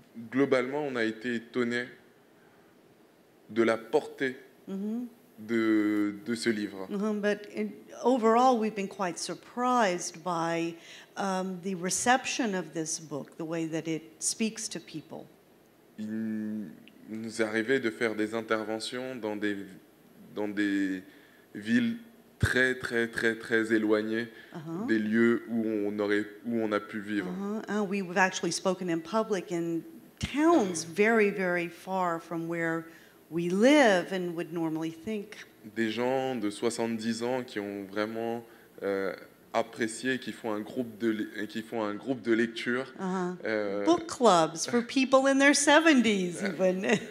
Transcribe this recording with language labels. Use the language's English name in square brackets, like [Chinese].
[French] Globalement, on a été étonnés de la portée de ce livre. [English] But overall, we've been quite surprised by the reception of this book, the way that it speaks to people. [French] Il nous est arrivé de faire des interventions dans des villes très très très très éloignées des lieux où on a pu vivre. [English] We've actually spoken in public in towns very very far from where we live and would normally think. [French] Des gens de 70 ans qui ont vraiment apprécié, qui font un groupe de lecture. [English] Book clubs for people in their 70s even.